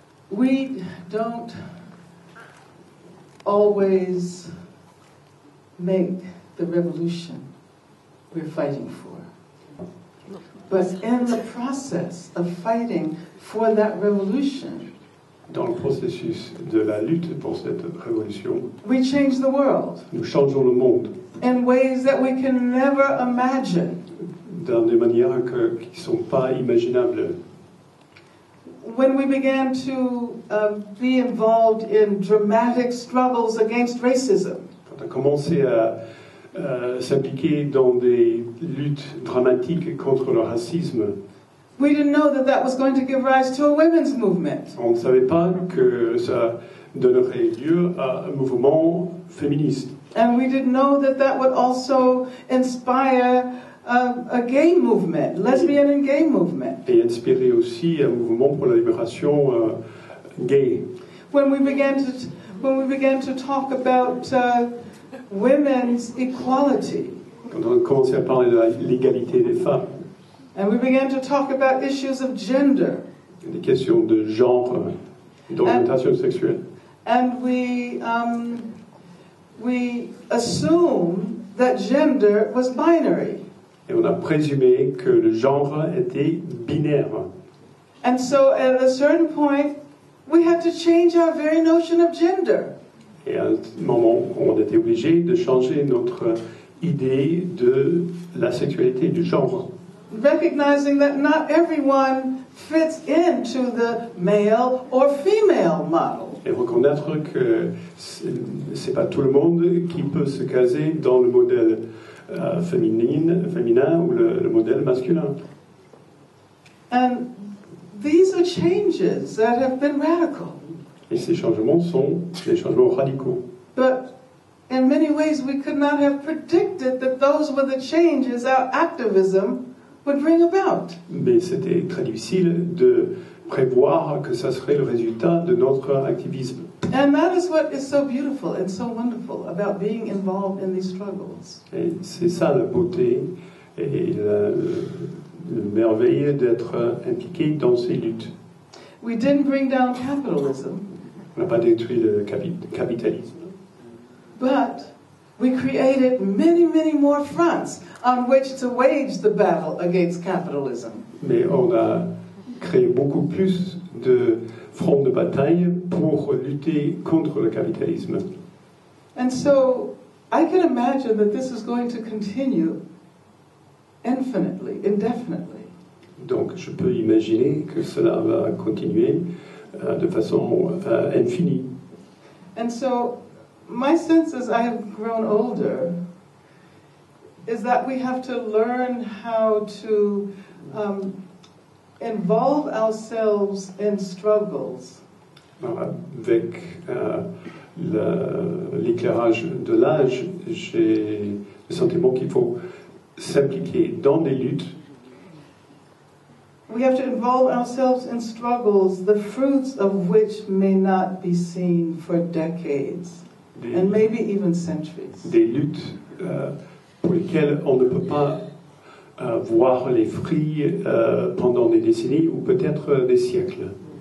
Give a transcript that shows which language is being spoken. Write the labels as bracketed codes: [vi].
[en] We don't always make the revolution we're fighting for. But in the process of fighting for that revolution, [fr] dans le processus de la lutte pour cette révolution, [en] we change the world. [fr] Nous changeons le monde. [en] In ways that we can never imagine. [fr] Dans des manières qui ne sont pas imaginables. [en] When we began to be involved in dramatic struggles against racism, [fr] quand on a commencé à s'impliquer dans des luttes dramatiques contre le racisme, [en] we didn't know that that was going to give rise to a women's movement. [fr] On ne savait pas que ça donnerait lieu à un mouvement féministe. [en] And we didn't know that that would also inspire a gay movement, lesbian and gay movement. [fr] Et inspirer aussi un mouvement pour la libération gay. [en] When we began to talk about women's equality. [fr] Quand on a commencé à parler de l'égalité des femmes. [en] And we began to talk about issues of gender. [fr] Des questions de genre, d'orientation sexuelle. [en] And we assumed that gender was binary. [fr] Et on a présumé que le genre était binaire. [en] And so at a certain point, we had to change our very notion of gender. [fr] Et à un moment, on était obligé de changer notre idée de la sexualité du genre. [en] Recognizing that not everyone fits into the male or female model. [fr] Et reconnaître que c'est pas tout le monde qui peut se caser dans le modèle féminin ou le modèle masculin. [en] And these are changes that have been radical. [fr] Et ces changements sont des changements radicaux. [en] But in many ways we could not have predicted that those were the changes our activism would bring about. [fr] Mais c'était très difficile de prévoir que ça serait le résultat de notre activisme. [en] And that is what is so beautiful and so wonderful about being involved in these struggles. [fr] Et c'est ça la beauté et le merveilleux d'être impliqué dans ces luttes. [en] We didn't bring down capitalism. [fr] On n'a pas détruit le capitalisme. [en] But we created many, many more fronts on which to wage the battle against capitalism. [fr] Mais on a créé beaucoup plus de front de bataille pour lutter contre le capitalisme. [en] And so I can imagine that this is going to continue infinitely, indefinitely. [fr] Donc je peux imaginer que cela va continuer de façon infinie. [en] And so my sense as I have grown older is that we have to learn how to involve ourselves in struggles. [fr] Avec l'éclairage de l'âge, j'ai le sentiment qu'il faut s'impliquer dans des luttes. [en] We have to involve ourselves in struggles, the fruits of which may not be seen for decades, and maybe even centuries. [fr] Des luttes pour lesquelles on ne peut pas voir les fruits pendant des décennies ou peut-être des siècles.